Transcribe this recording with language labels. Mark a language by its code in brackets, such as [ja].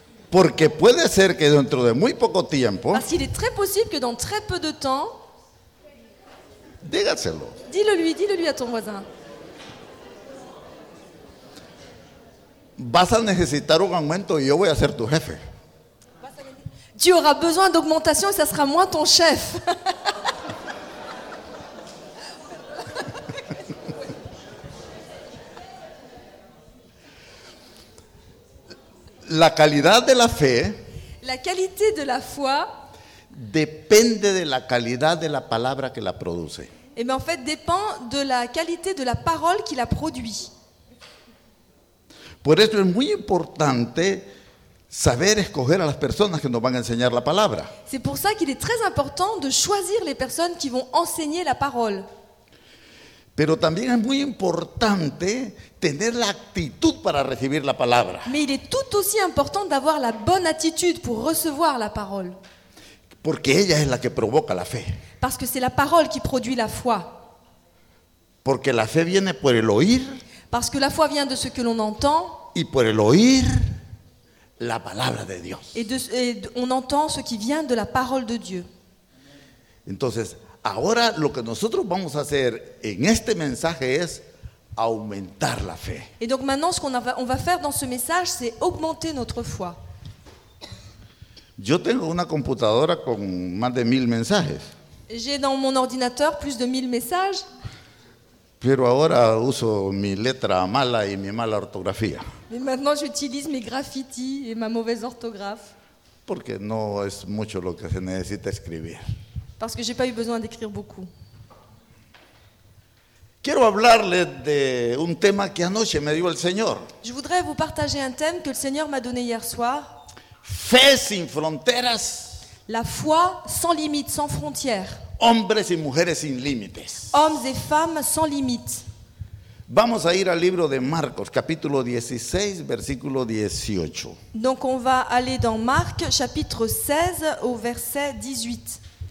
[es] Porque puede ser que dentro de muy poco tiempo. [fr] Parce qu'il est très possible que dans très peu de temps. [es] Dígaselo. [fr] Dis-le lui à ton voisin. [es] Vas a necesitar un aumento y yo voy a ser tu jefe. [fr] Tu auras besoin d'augmentation et ça sera moi ton chef. [es] La calidad de la fe. [fr] La qualité de la foi [es] depende de la calidad de la palabra que la produce. [fr] Et bien en fait dépend de la qualité de la parole qui la produit. [es] Por eso es muy importante saber escoger a las personas que nos van a enseñar la palabra. [fr] C'est pour ça qu'il est très important de choisir les personnes qui vont enseigner la parole. [es] Pero también es muy importante tener la actitud para recibir la palabra. [fr] Mais il est tout aussi important d'avoir la bonne attitude pour recevoir la parole. [es] Porque ella es la que provoca la fe. [fr] Parce que c'est la parole qui produit la foi. [es] Porque la fe viene por el oír. [fr] Parce que la foi vient de ce que l'on entend. [es] Y por el oír la palabra de Dios. [fr] Et on entend ce qui vient de la parole de Dieu. [es] Entonces, ahora lo que nosotros vamos a hacer en este mensaje es aumentar la fe. [fr] Et donc maintenant ce qu'on va faire dans ce message, c'est augmenter notre foi. [es] Yo tengo una computadora con más de 1000 mensajes. [fr] J'ai dans mon ordinateur plus de 1000 messages. [es] Pero ahora uso mi letra mala y mi mala ortografía. [fr] Mais maintenant j'utilise mes graffitis et ma mauvaise orthographe. [es] Porque no es mucho lo que se necesita escribir. [fr] Parce que j'ai pas eu besoin d'écrire beaucoup. [es] Quiero hablarles de un tema que anoche me dio el Señor. [fr] Je voudrais vous partager un thème que le Seigneur m'a donné hier soir. [es] Fe sin fronteras. [fr] La foi sans limites, sans frontières. [es] Hombres y mujeres sin límites. [fr] Hommes et femmes sans limites. [es] Vamos a ir al libro de Marcos, capítulo 16, versículo 18. [fr] Donc on va aller dans Marc, chapitre 16, au verset 18.